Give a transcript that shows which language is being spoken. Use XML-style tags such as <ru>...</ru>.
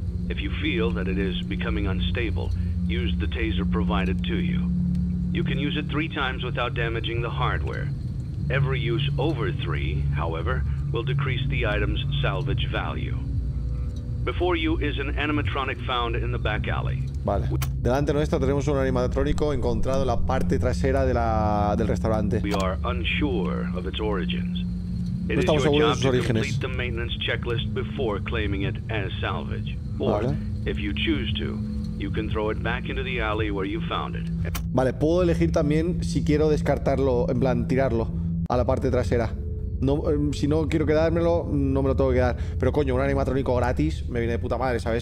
<en>If you feel that it is becoming unstable, use the taser provided to you. You can use it 3 times without damaging the hardware. Every use over 3, however, will decrease the item's salvage value. Before you is an animatronic found in the back alley.</en> <es>Vale. Delante nuestra tenemos un animatrónico encontrado en la parte trasera de del restaurante.</es> <en>We are unsure of its origins.</en> <es>No estamos seguros de sus orígenes.</es> <en>Complete the maintenance checklist before claiming it as salvage. Or, if you choose to, you can throw it back into the alley where you found it.</en> <es>Vale, puedo elegir también si quiero descartarlo, en plan tirarlo a la parte trasera. No, si no quiero quedármelo, no me lo tengo que quedar. Pero coño, un animatrónico gratis me viene de puta madre, ¿sabes?</es>